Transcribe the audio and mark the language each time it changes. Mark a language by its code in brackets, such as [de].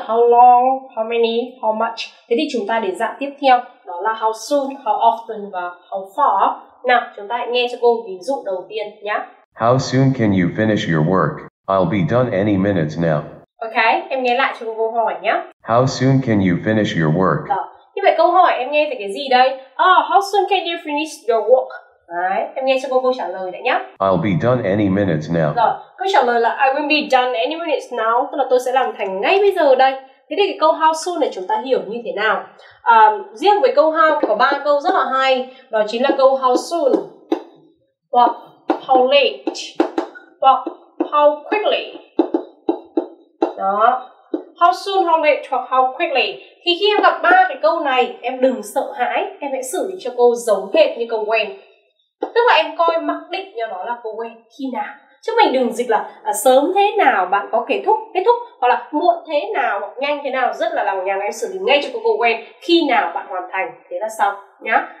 [en] How long, how many, how much. [vi] Thế thì chúng ta đến dạng tiếp theo, đó là [en] how soon, how often [vi] và [en] how far. [vi] Nào, chúng ta hãy nghe cho cô ví dụ đầu tiên nhá. [en] How soon can you finish your work? I'll be done any minutes now. [vi] Ok, em nghe lại cho cô câu hỏi nhá. [en] How soon can you finish your work? [vi] Như vậy câu hỏi em nghe từ cái gì đây? [en] Oh, how soon can you finish your work? [vi] Đấy, em nghe cho cô trả lời đấy nhá. [en] I'll be done any minutes now. [vi] Rồi, câu trả lời là [en] I will be done any minutes now, [vi] tức là tôi sẽ làm thành ngay bây giờ đây. Thế thì cái câu how soon này chúng ta hiểu như thế nào? Riêng với câu how có ba câu rất là hay, đó chính là câu how soon, hoặc how late, hoặc how quickly. Đó, [en] how soon, how late [vi] hoặc [en] how quickly. [vi] Thì khi em gặp ba cái câu này, em đừng sợ hãi, em hãy xử lý cho cô giống hệt như câu when. Tức là em coi mặc định cho nó là câu when khi nào, chứ mình đừng dịch là sớm thế nào bạn có kết thúc, hoặc là muộn thế nào, hoặc nhanh thế nào. Rất là lòng nhằng, em xử lý ngay cho câu when khi nào bạn hoàn thành, thế là xong nhá.